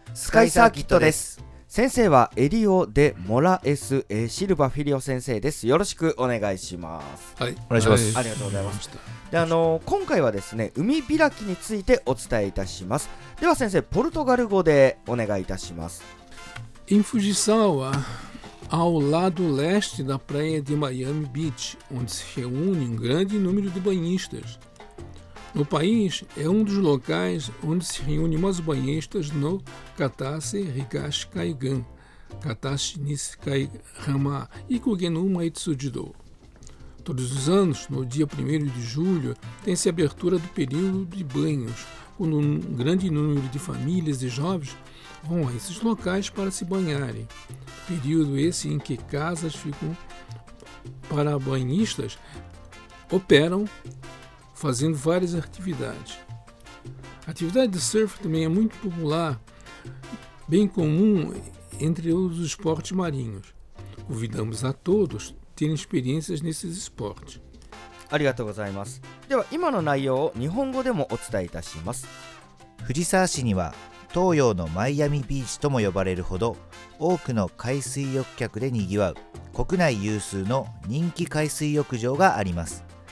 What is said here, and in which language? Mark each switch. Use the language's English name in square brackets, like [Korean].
[Japanese] スカイサーキットです。先生はエリオ・デ・モラエス・シルバ・フィリオ先生です。よろしくお願いします。はい、お願いします、はい、ありがとうございます。で、今回はですね、海開きについてお伝えいたします。では先生、ポルトガル語でお願いいたします。 [Portuguese] Em Fujisawa, ao lado leste da praia de Miami Beach, onde se reúne um grande número de banhistas. No país, é um dos locais onde se reúne mais banhistas no Katase Rikash Kaigan, Katase Nisikai Rama e Kugenu Maitsujido. Todos os anos, no dia 1º de julho, tem-se a abertura do período de banhos, quando um grande número de famílias e jovens vão a esses locais para se banharem. Período esse em que casas ficam para banhistas operam fazendo várias atividades. A atividade de surf também é muito popular, bem comum entre os esportes marinhos. Convidamos a todos terem experiências nesses esportes. [Japanese] ありがとうございます。では今の内容を日本語でもお伝えいたします。藤沢市には東洋のマイアミビーチとも呼ばれるほど多くの海水浴客でにぎわう国内有数の人気海水浴場があります。